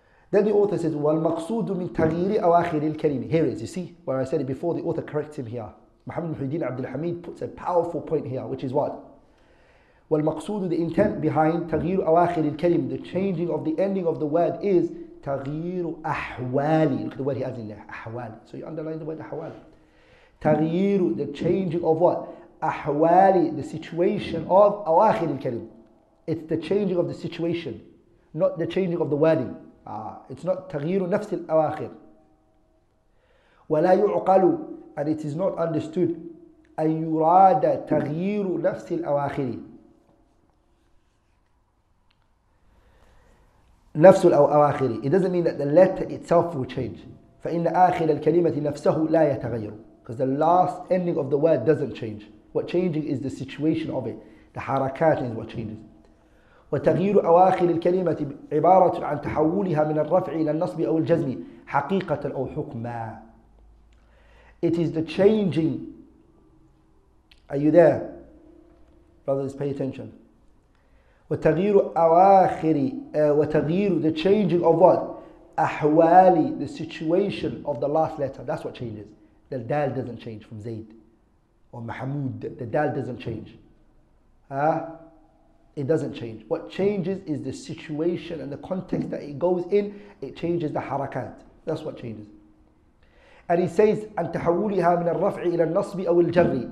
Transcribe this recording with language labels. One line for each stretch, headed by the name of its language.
English: Then the author says,
Arabic: والمقصود من تغيير أواخر الكلمة.
English: Here it is, you see, where I said it before, the author corrects him here. Muhammad Muhyiddin Abdul Hamid puts a powerful point here, which is what?
Arabic: والمقصود,
English: the intent behind
Arabic: تغيير أواخر الكلمة,
English: the changing of the ending of the word, is
Arabic: تغيير أحوالي.
English: Look at the word he has in there, أحوال. So you underline the word أحوال. تغيير, the changing of what?
Arabic: أحوالي,
English: the situation of
Arabic: أواخر الكلمة.
English: It's the changing of the situation, not the changing of the wording. It's not
Arabic: تغيير نفس الأواخر. ولا يعقل,
English: and it is not understood,
Arabic: أن يراد تغيير نفس الأواخر. نفس الأواخر.
English: It doesn't mean that the letter itself will change.
Arabic: فإن آخر الكلمة نفسه لا يتغير.
English: Because the last ending of the word doesn't change. What changing is the situation of it. The حركات is what changes.
Arabic: وتغيير أواخر الكلمة عبارة عن تحولها من الرفع إلى النصب أو الجزم حقيقة أو حكما.
English: It is the changing. Are you there, brothers? Pay attention.
Arabic: وتغيير أواخر, وتغيير,
English: the changing of what?
Arabic: أحوالي,
English: the situation of the last letter. That's what changes. The dal doesn't change from Zayd or Mahmoud. The dal doesn't change. It doesn't change. What changes is the situation and the context that it goes in. It changes the harakat. That's what changes. And he says,
Arabic: "أن تحولها من الرفع إلى النصب أو الجر."